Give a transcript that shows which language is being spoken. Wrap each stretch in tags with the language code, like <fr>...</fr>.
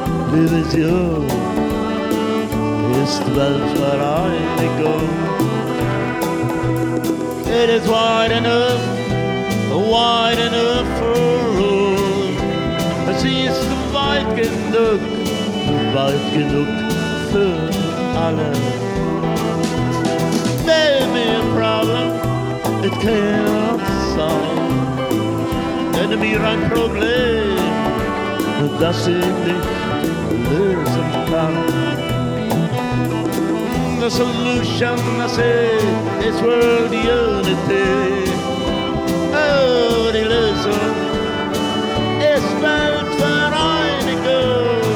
<de>Bin ich jung, ist Weltvereinigung.</de> <en>It is wide enough for all.</en> <de>Sie ist weit genug für alle.</de> <en>Tell me a problem, it cannot solve.</en> <de>Nenne mir ein Problem, das ich nicht lösen kann.</de> <en>The solution, I say, is world unity.</en> <de>Oh, die Lösung ist Weltvereinigung.</de>